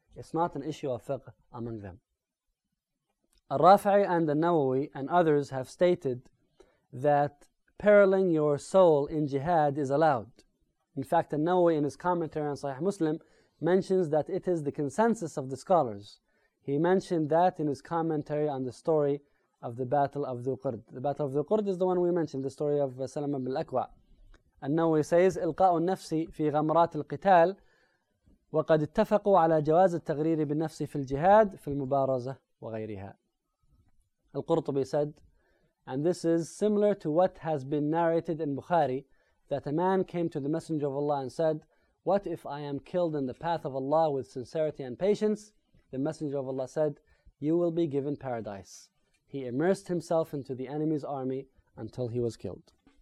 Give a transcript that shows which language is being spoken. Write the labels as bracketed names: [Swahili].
[English] It's not an issue of fiqh among them. Al-Rafi'i and al-Nawawi and others have stated that periling your soul in jihad is allowed. In fact, al-Nawawi in his commentary on Sahih Muslim mentions that it is the consensus of the scholars. He mentioned that in his commentary on the story of the Battle of Dhu-Qurd. The Battle of Dhu-Qurd is the one we mentioned, the story of Salama ibn al-Akwa. [Arabic] An-Nawawi says, إِلْقَاءُ النَّفْسِ فِي غَمْرَاتِ الْقِتَالِ وَقَدْ اتَّفَقُوا عَلَى جَوَازِ التَّغْرِيرِ بِالنَّفْسِ فِي الْجِهَادِ فِي الْمُبَارَزَةِ وَغَيْرِهَا. [English] Al-Qurtubi said, and this is similar to what has been narrated in Bukhari, that a man came to the Messenger of Allah and said, what if I am killed in the path of Allah with sincerity and patience? The Messenger of Allah said, you will be given paradise. He immersed himself into the enemy's army until he was killed.